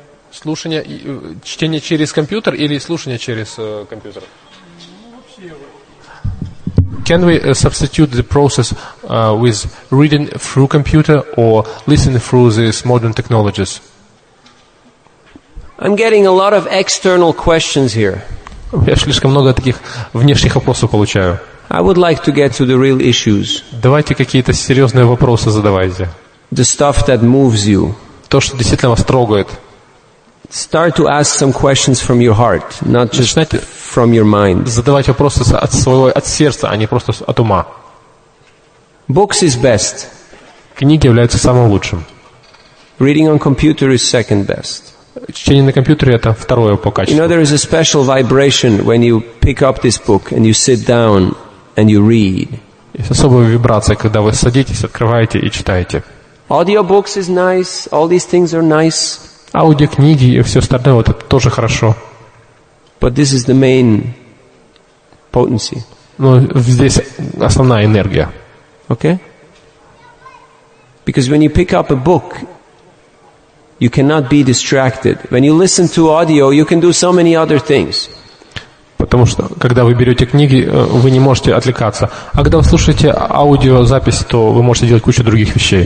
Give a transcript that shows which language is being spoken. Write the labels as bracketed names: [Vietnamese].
[Russian] слушание, чтение через компьютер или слушание через компьютер? [English] Can we substitute the process with reading through computer or listening through these modern technologies? I'm getting a lot of external questions here. [Russian] Я слишком много таких внешних вопросов получаю. [English] I would like to get to the real issues. [Russian] Давайте какие-то серьезные вопросы задавайте. [English] The stuff that moves you. [Russian] То, что действительно вас трогает. [English] Start to ask some questions from your heart, not just from your mind. [Russian] Задавайте вопросы от сердца, а не просто от ума. [English] Books is best. [Russian] Книги являются самым лучшим. [English] Reading on computer is second best. [Russian] Чтение на компьютере — это второе по качеству. [English] You know, there is a special vibration when you pick up this book and you sit down and you read. [Russian] Есть особая вибрация, когда вы садитесь, открываете и читаете. [English] Audiobooks is nice, all these things are nice. [Russian] Аудиокниги и все остальное — вот это тоже хорошо. [English] But this is the main potency. [Russian] Но здесь основная энергия. [English] Okay? Because when you pick up a book, you cannot be distracted. When you listen to audio, you can do so many other things. [Russian] Потому что когда вы берете книги, вы не можете отвлекаться. А когда вы слушаете аудиозапись, то вы можете делать кучу других вещей.